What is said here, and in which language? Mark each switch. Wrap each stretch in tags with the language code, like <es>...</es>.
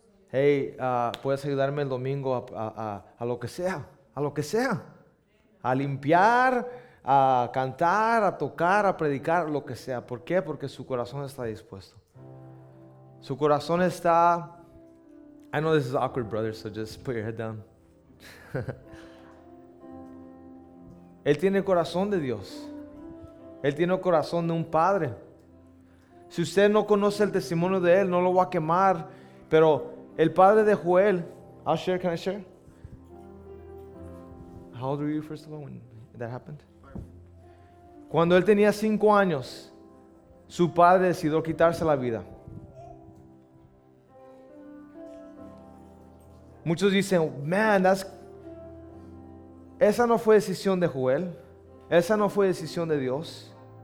<es>Hey, ¿puedes ayudarme el domingo a lo que sea? A lo que sea. A limpiar, a cantar, a tocar, a predicar, lo que sea. ¿Por qué? Porque su corazón está dispuesto. Su corazón está...</es> <en>I know this is awkward, brother, so just put your head down.</en> <es>Él tiene el corazón de Dios. Él tiene el corazón de un padre. Si usted no conoce el testimonio de él, no lo voy a quemar. Pero el padre de Joel...</es> <en>I'll share, can I share? How old were you, first of all, when that happened?</en> <es>Cuando él tenía 5 años, su padre decidió quitarse la vida. Muchos dicen, man, esa no fue decisión de Joel, esa no fue decisión de Dios.</es>